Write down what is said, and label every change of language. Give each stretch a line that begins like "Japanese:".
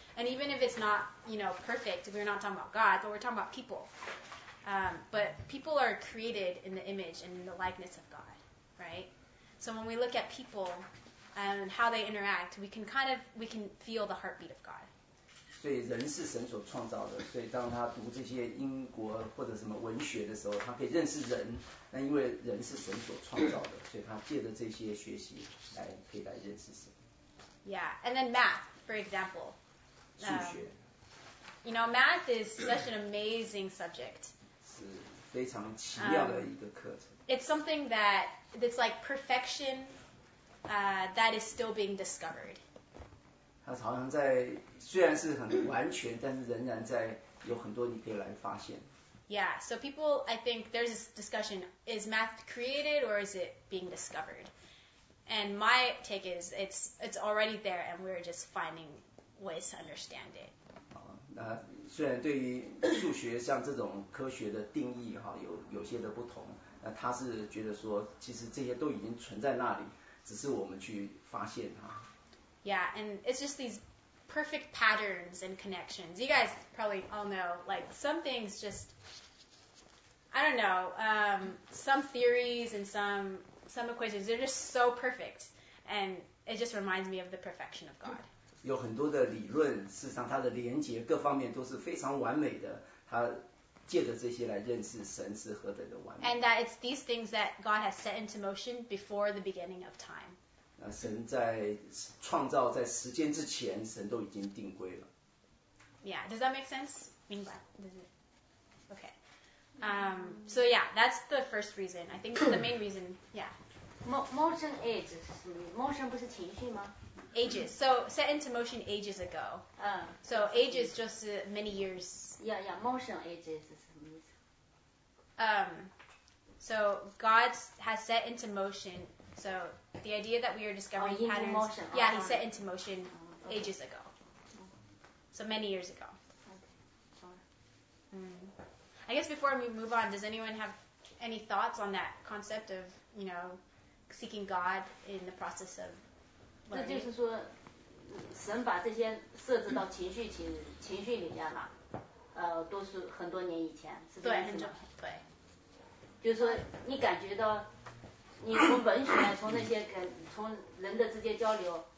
English: And even if it's not, you know, perfect, we're not talking about God, but we're talking about people. But people are created in the image and in the likeness of God, right? So when we look at people and how they interact, we can feel the heartbeat of God.
Chinese: 所以人是神所创造的，所以当他读这些英国或者什么文学的时候，他可以认识人。那因为人是神所创造的，所以他借着这些学习来可以来认识神。
English: Yeah, and then math, for example.
Chinese: 数学。
English: You know, math is such an amazing subject.
Chinese: 非常奇妙的一个课程。
English: It's something that's like perfection, that is still being discovered.
Chinese: 它好像在虽然是很完全，但是仍然在有很多你可以来发现。
English: Yeah, so people, I think there's this discussion: is math created or is it being discovered? And my take is it's already there, and we're just finding ways to understand it.
Chinese: 那虽然对于数学像这种科学的定义哈有些的不同，那他是觉得说其实这些都已经存在那里，只是我们去发现它。
English: Yeah, and it's just these perfect patterns and connections. You guys probably all know, like some things just, I don't know, some theories and some equations, they're just so perfect, and it just reminds me of the perfection of God.
Chinese: 有很多的理论，事实上它的连结各方面都是非常完美的。他借着这些来认识神是何等的完美。
English: And that it's these things that God has set into motion before the beginning of time.
Chinese: 那神在创造在时间之前，神都已经定规了。
English: Yeah, does that make sense?
Chinese: 明白。
English: Does it? Okay. So yeah, that's the first reason. I think the main reason. Yeah.
Chinese: Motion age 是motion 不是情绪吗？
English: Ages, so set into motion ages ago. So ages just many years. Yeah, motion ages is what it means. So God has set into motion, so the idea that we are discovering patterns, motion, yeah, he set into motion ages ago. So many years ago. I guess before we move on, does anyone have any thoughts on that concept of, you know, seeking God in the process of...
Chinese: 那就是说，神把这些设置到情绪里面了，都是很多年以前，是这样子吗？对，就是说，你感觉到，你从文学，从那些跟从人的直接交流，